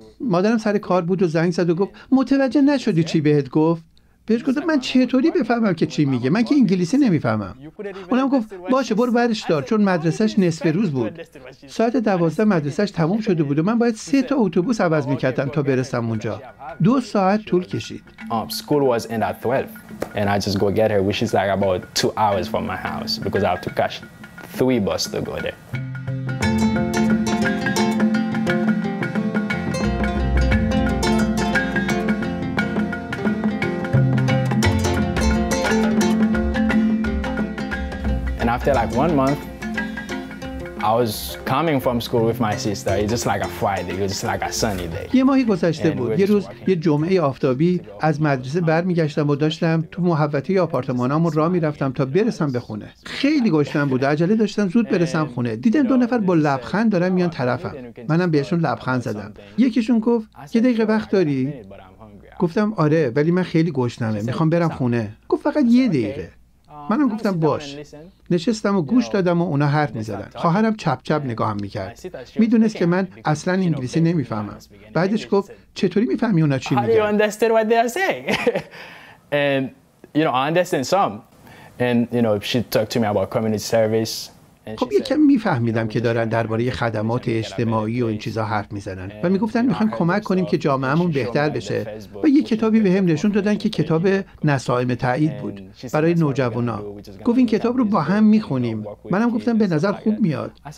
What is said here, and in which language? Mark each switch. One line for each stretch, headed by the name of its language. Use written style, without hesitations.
Persian: مادرم سر کار بود و زنگ زد و گفت متوجه نشدی چی بهت گفت؟ بهش گفتم من چطوری بفهمم که چی میگه؟ من که انگلیسی نمیفهمم. اونم گفت باشه برو برش دار، چون مدرسهش نصف روز بود. ساعت 12 مدرسهش تموم شده بود و من باید 3 تا اتوبوس عوض میکردم تا برسم اونجا. 2 ساعت طول کشید.
English: School was end at 12 and I just go get her, which is like about 2 hours from my house because I have to catch 3 bus to go there. After like 1 month, I was coming from school with my sister. It's just like a Friday. It was just like a sunny day.
Persian: یه ماهی گذشته بود. یه روز یه جمعه آفتابی از مدرسه برمیگشتم و داشتم تو محوطه آپارتمانم راه میرفتم تا برسم به خونه. خیلی گشنم بود. عجله داشتم زود برسم خونه. دیدم دو نفر با لبخند دارن میان طرفم. منم بهشون لبخند زدم. یکیشون گفت یه دقیقه وقت داری؟ گفتم آره، ولی من خیلی گشنمه. میخوام برم خونه. گفت فقط یه دقیقه. منم گفتم باش. نشستم و گوش دادم و اونا حرف می‌زدن. خواهرم چپ چپ نگاهم می‌کرد. می‌دونست که من اصلاً انگلیسی نمی‌فهمم. بعدش گفت چطوری می‌فهمی اونا چی میگن؟
English: I understand what they are saying. And you know, I understand some. And you know, she talked to me about community service.
Persian: خب یه کمی میفهمیدم که دارن درباره خدمات اجتماعی و این چیزا حرف میزنن و میگفتن میخوان کمک کنیم که جامعهمون بهتر بشه و یه کتابی به هم نشون دادن که کتاب نسائم تایید بود برای نوجوانا. گفت این کتاب رو با هم میخونیم. منم گفتم به نظر خوب میاد.